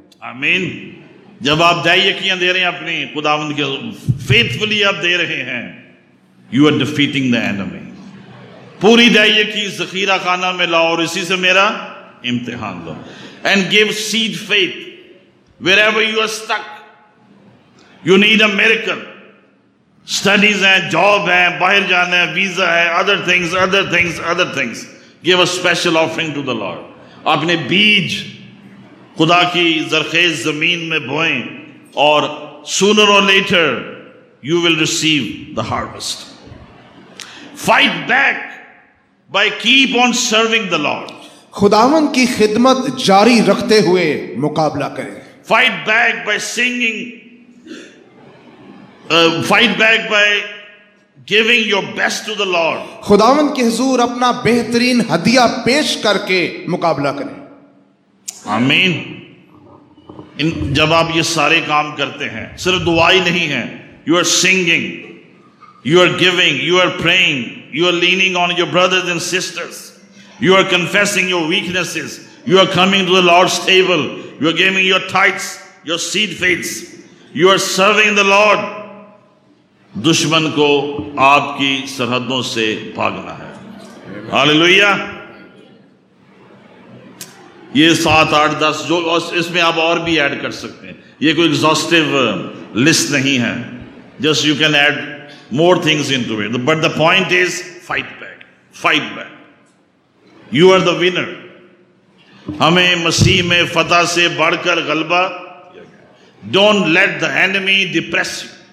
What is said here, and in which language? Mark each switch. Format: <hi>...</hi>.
<ur>آمین. جب آپ دہیقیاں دے رہے ہیں اپنی خداوند کے فیتھفلی آپ دے رہے ہیں,</ur> <en>You are defeating the enemy.</en> <ur>پوری دہیقی ذخیرہ خانہ میں لاؤ اور اسی سے میرا امتحان لو.</ur> <en>And give seed faith wherever you are stuck. You need a miracle.</en> <ur>Studies ہیں, جاب ہیں, باہر جانا ہے, ویزا ہے, other things.</ur> <en>Give a special offering to the Lord.</en> <ur>اپنے بیج خدا کی زرخیز زمین میں بوئیں اور</ur> <en>Sooner or later you will receive the harvest. Fight back by keep on serving the Lord.</en> <ur>خداون کی خدمت جاری رکھتے ہوئے مقابلہ کریں.</ur> <en>Fight back by singing. Fight back by giving your best to the Lord.</en> <ur>خداوند کے حضور اپنا بہترین ہدیہ پیش کر کے مقابلہ کریں. آمین.</ur> <en>جب آپ یہ سارے کام کرتے ہیں, صرف دعا ہی نہیں ہے, you are singing, you are giving, you are praying, you are leaning on your brothers and sisters, you are confessing your weaknesses, you are coming to the Lord's table, you are giving your tithes, your seed faiths, you are serving the Lord,</en> <ur>دشمن کو آپ کی سرحدوں سے بھاگنا ہے.</ur> <en>Hallelujah.</en> <ur>یہ 7-8-10 جو اس میں آپ اور بھی ایڈ کر سکتے ہیں, یہ کوئی ایگزاسٹو لسٹ نہیں ہے.</ur> <en>Just you can add more things into it, but the point is fight back. Fight back, you are the winner.</en> <ur>ہمیں مسیح میں فتح سے بڑھ کر غلبہ.</ur> <en>Don't let the enemy depress you.</en>